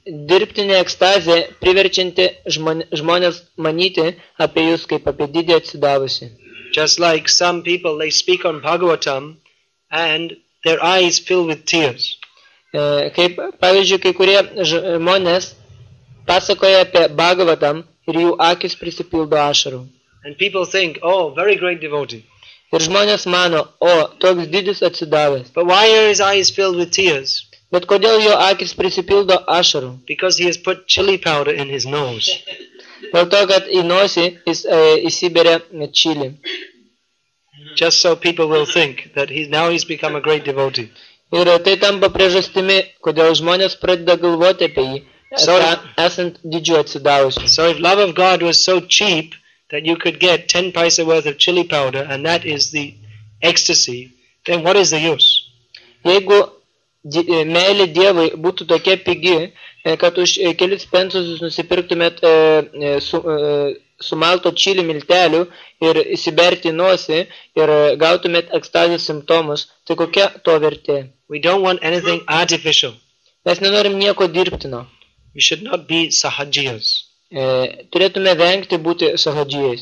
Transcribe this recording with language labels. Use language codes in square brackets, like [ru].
[lt] Dirbtinė ekstazė priverčianti žmonės manyti apie jūs kaip apie didį atsidavusį. [en] Just like some people, they speak on Bhagavatam and their eyes fill with tears. [lt] Kaip, pavyzdžiui, kai kurie žmonės pasakoja apie Bhagavatam ir jų akis prisipildo ašarų. [en] And people think, oh, very great devotee. [lt] Ir žmonės mano, o, toks didis atsidavęs. [en] But why are his eyes filled with tears? [lt] Bet kodėl jo akis prisipildo ašarų? [en] Because he has put chili powder in his nose. [lt] Dėl to, kad į nosį jis įsiberia čili. [en] Just so people will think that now he's become a great devotee. [lt] Ir tai tampa priežastimi, kodėl žmonės pradeda galvoti apie jį. [en] So if love of God was so cheap that you could get 10 paisa worth of chili powder and that is the ecstasy, then what is the use? [lt] Jeigu meilė Dievui būtų tokia pigi, kad už kelis pensus jūs nusipirktumėt sumalto čili miltelių ir įsiberti nosį ir gautumėt ekstazės simptomus, tai kokia to vertė? [en] We don't want anything artificial. [lt] Mes nenorim nieko dirbtino. [en] We should not be sahajiyas. [lt] Turėtume vengti būti sahajiyas.